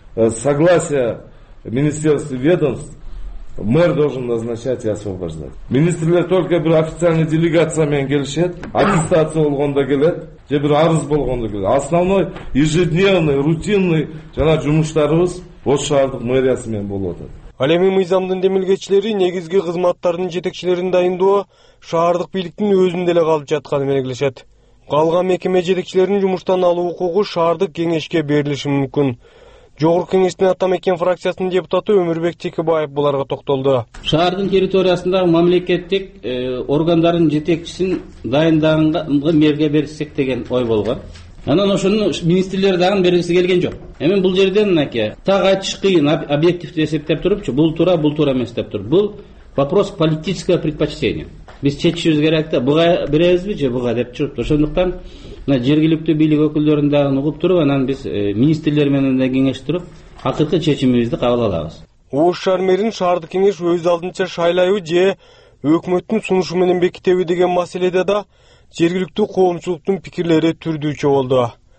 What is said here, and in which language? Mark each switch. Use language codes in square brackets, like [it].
[ru] Согласие министерств и ведомств. Мэр должен назначать и освобождать. [ky] Министрлер только бир [ru] официальный делегация [ky] менен келишет, аттестация болгондо келет, же бир арыз болгондо келет. [ru] Основной ежедневный, рутинный [ky] жана жумуштарыбыз Ош шаардык мэриясы менен болуп атат. Ал эми мыйзамдын демилгечилери негизги кызматтардын жетекчилерин дайындоо шаардык бийликтин өзүндө эле калып жатканын белгилешет. Калган мекеме жетекчилерин жумуштан алуу укугу шаардык кеңешке берилиши мүмкүн. Жогорку кеңештин ата мекен фракциясынын депутаты Өмүрбек Текебаев буларга токтолду. Шаардын территориясындагы мамлекеттик органдардын жетекчисин дайындаганга мэрге берсек деген ой болгон. Анан ошону министрлер дагы бергиси келген жок. Эми бул жерде мынакей так айтыш кыйын, объективдүү эсептеп турупчу, бул туура эмес деп туруп. Бул [ru] вопрос политического предпочтения. [ky] Биз чечишибиз керек да, буга беребизби же буга деп туруп. Ошондуктан мына жергиликтүү бийлик өкүлдөрүн дагы угуп туруп, анан биз министрлер менен да кеңештирип, акыркы чечимибизди кабыл алабыз. Ош шаар мэрин шаардык кеңеш өз алдынча шайлайбы же өкмөттүн сунушу менен бекитеби деген маселеде да жергиликтүү коомчулуктун пикирлери түрдүүчү болду.